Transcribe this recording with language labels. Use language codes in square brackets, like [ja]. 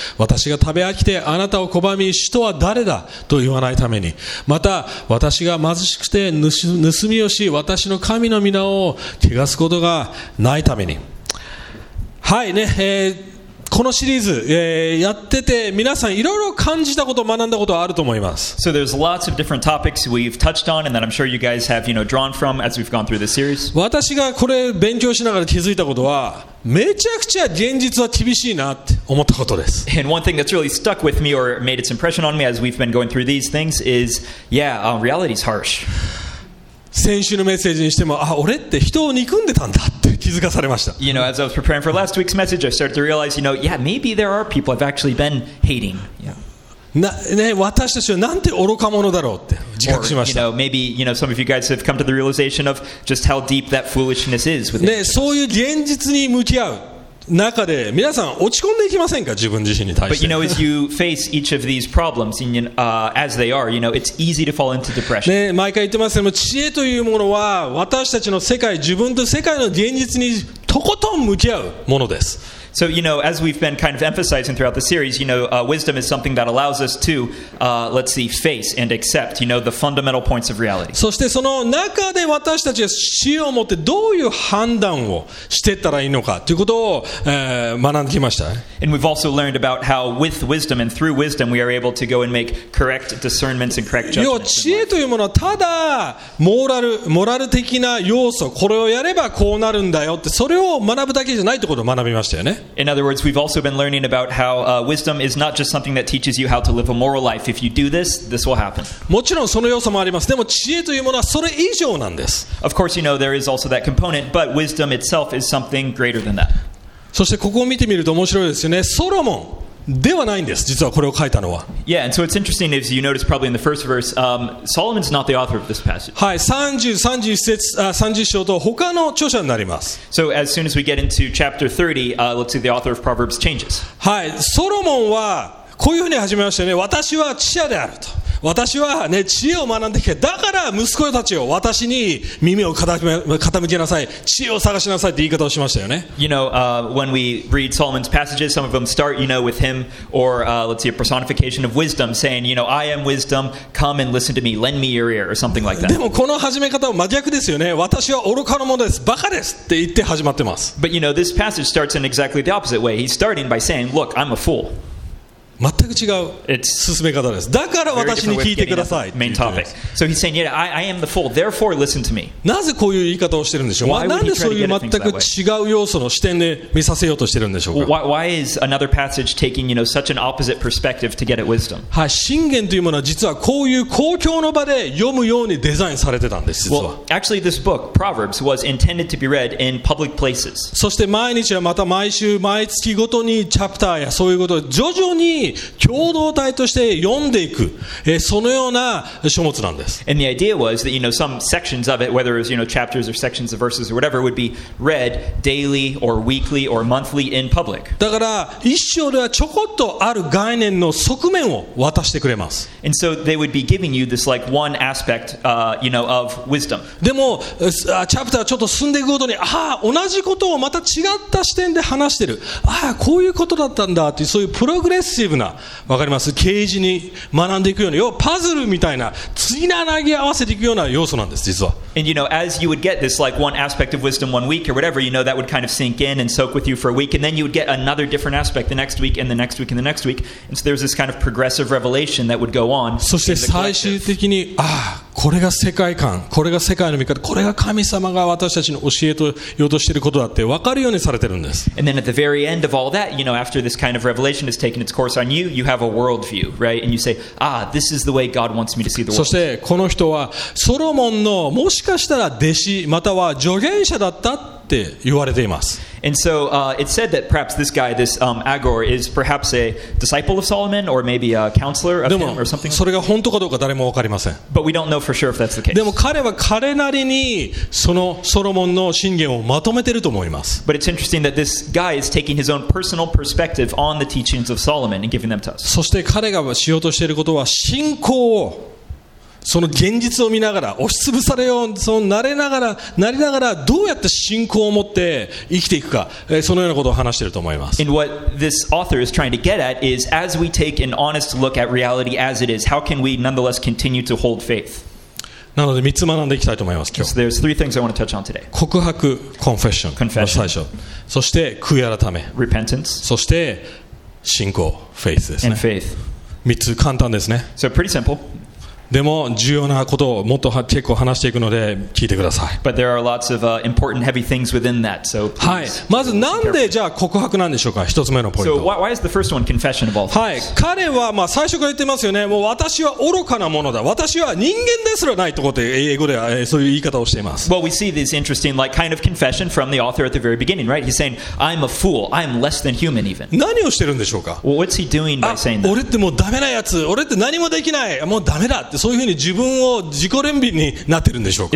[ja] 私が食べ飽きてあなたを拒み、主とは誰だと言わないために、また、私が貧しくて盗みをし、私の神の皆を汚すことがないために。はいね、このシリーズ、やってて皆さんいろいろ感じたこと、学んだことあると思います。 [en] So there's lots of different topics we've touched on and that I'm sure you guys have, you know, drawn from as we've gone through this series. [ja] 私がこれ勉強しながら気づいたことは、めちゃくちゃ現実は厳しいなって思ったことです。 [en] And one thing that's really stuck with me or made its impression on me as we've been going through these things is, yeah, reality's harsh. [ja] 先週のメッセージにしても、あ、俺って人を憎んでたんだって気づかされました。 [en] You know, as I was preparing for last week's message, I started to realize, you know, yeah, maybe there are people I've actually been hating. Yeah. [ja] 私たちはなんて愚か者だろうって自覚しました。 [en] Or, you know, maybe, you know, some of you guys have come to the realization of just how deep that foolishness is with it. [ja] そういう現実に向き合う中で皆さん落ち込んでいきませんか、自分自身に対して。 [en] But you know, as you face each of these problems, as they are, you know, it's easy to fall into depression. [ja] 毎回言ってますけども、知恵というものは私たちの世界、自分と世界の現実にとことん向き合うものです。 [en] So, you know, as we've been kind of emphasizing throughout the series, you know, wisdom is something that allows us to, let's see, face and accept, you know, the fundamental points of reality. [ja] そしてその中で私たちは知恵を持ってどういう判断をしていったらいいのかということを、学んできました。 [en] And we've also learned about how with wisdom and through wisdom we are able to go and make correct discernments and correct judgments. [ja] 要は知恵というものはただモラル的な要素、これをやればこうなるんだよって、それを学ぶだけじゃないということを学びましたよね。 [en] In other words, we've also been learning about how wisdom is not just something that teaches you how to live a moral life. If you do this, this will happen. [ja] もちろんその要素もあります。でも知恵というものはそれ以上なんです。 [en] Of course, you know, there is also that component, but wisdom itself is something greater than that. [ja] そしてここを見てみると面白いですよね。ソロモンではないんです、実はこれを書いたのは。 [en] Yeah, and so it's interesting, as you notice probably in the first verse, Solomon's not the author of this passage. [ja] はい、30章と他の著者になります。 [en] So as soon as we get into chapter 30, let's see, the author of Proverbs changes. [ja] はい、ソロモンはこういうふうに始めましたよね。私は知者であると。私はね、知恵を学んできて、だから息子たちを私に耳を傾けなさい、知恵を探しなさいって言い方をしましたよね。 [en] You know, when we read Solomon's passages, some of them start, you know, with him, or let's see, a personification of wisdom, saying, you know, I am wisdom, come and listen to me, lend me your ear, or something like that. [ja] でもこの始め方は真逆ですよね。私は愚かなものです、バカですって言って始まってます。 [en] But you know, this passage starts in exactly the opposite way. He's starting by saying, look, I'm a fool. [ja] 全く違う進め方です。だから私に聞いてください。メイントピック。 [en] So he's saying, yeah, I am the fool. Therefore, listen to me. [ja] なぜこういう言い方をしてるんでしょう。なんでそういう全く違う要素の視点で見させようとしてるんでしょうか。 [en] Why is another passage taking, you know, such an opposite perspective to get at wisdom? [ja] はい、箴言というものは実はこういう公共の場で読むようにデザインされてたんです。実は。 [en] Well, actually, this book, Proverbs, was intended to be read in public places. [ja] そして毎日はまた毎週毎月ごとにチャプターやそういうことを徐々に共同体として読んでいく、そのような書物なんです。 [en] And the idea was that, you know, some sections of it, whether it was, you know, chapters or sections of verses or whatever, would be read daily or weekly or monthly in public. [ja] だから一章ではちょこっとある概念の側面を渡してくれます。 [en] And so they would be giving you this like one aspect, you know, of wisdom. [ja] でも、チャプターちょっと進んでいくごとに、ああ、同じことをまた違った視点で話してる。ああ、こういうことだったんだっていうそういうプログレッシブな、わかります？ケージに学んでいくように、要はパズルみたいな、次の投げ合わせていくような要素なんです、実は。 [en] And you know, as you would get this like one aspect of wisdom one week or whatever, you know, that would kind of sink in and soak with you for a week, and then you would get another different aspect the next week and the next week and the next week. And so there's this kind of progressive revelation that would go on. [ja] そして最終的に、ああ、これが世界観、これが世界の見方、これが神様が私たちに教えようとしていることだって分かるようにされてるんです。 [en] And then at the very end of all that, you know, after this kind of revelation has taken its course on you, you have a worldview, right? And you say, ah, this is the way God wants me to see the world. [ja] そしてこの人はソロモンのもしかしたら弟子または助言者だったって言われています。 [en] And so it's said that perhaps this guy, this Agor, is perhaps a disciple of Solomon or maybe a counselor of him or something. [ja] それが本当かどうか誰も分かりません。 [en] But we don't know for sure if that's the case. [ja] でも彼は彼なりにそのソロモンの箴言をまとめてると思います。 [en] But it's interesting that this guy is taking his own personal perspective on the teachings of Solomon and giving them to us. [ja] そして彼がしようとしていることは信仰をその現実を見ながら押しつぶされようそのなりながらどうやって信仰を持って生きていくかそのようなことを話していると思います。 [en] And what this author is trying to get at is as we take an honest look at reality as it is, how can we nonetheless continue to hold faith? [ja] なので3つ学んでいきたいと思います今日。 [en] So there's three things I want to touch on today. [ja] 告白 confession の最初。そして悔い改め [en] repentance. [ja] そして信仰 faith ですね。 [en] And faith. [ja] 3つ簡単ですね。 [en] So pretty simple. [ja] でも重要なことをもっと結構話していくので聞いてください。 [en] But there are lots of important heavy things within that. So [ja] はい。まずなんでじゃあ告白なんでしょうか。一つ目のポイント。 [en] So why is the first one confession of all things? [ja] はい。彼はまあ最初から言ってますよね。もう私は愚かなものだ。私は人間ですらないとこって英語ではそういう言い方をしています。 [en] Well, we see this interesting like kind of confession from the author at the very beginning, right? He's saying, "I'm a fool. I'm less than human even." [ja] 何をしてるんでしょうか。 [en] Well, what's he doing by saying that? [ja] 俺ってもうダメなやつ。俺って何もできない。もうダメだって。そういうふうに自分を自己憐憫になってるんでしょうか。